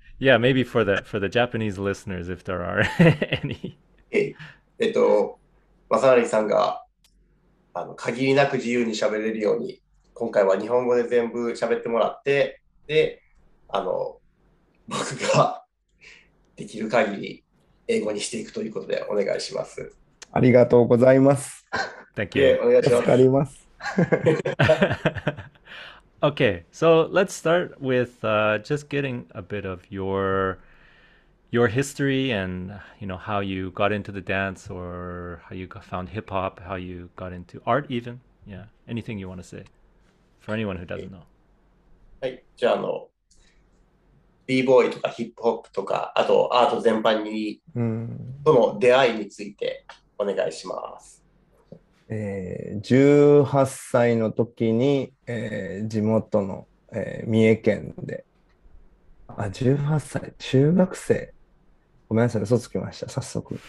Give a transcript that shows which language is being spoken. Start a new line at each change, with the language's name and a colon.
English: Yeah, maybe for the Japanese listeners, if there are any.
Japanese: Masanari-san が限りなく自由に喋れるように今回は日本語で全部喋ってもらってで僕ができる限り英語にしていくということでお願いします。ありがとうございます。
English: Thank you.
Japanese: お願いします。助かります。
English: Okay, so let's start with just getting a bit of your history and, you know, how you got into the dance or how you found hip hop, how you got into art even. Yeah, anything you want to say for anyone who doesn't know.
Japanese: はい、じゃあB-boy とかヒップホップとかあとアート全般にとの出会いについてお願いします。 18歳の時に、地元の、三重県で、あ、18歳、中学生、ごめんなさい、嘘つきました、早速。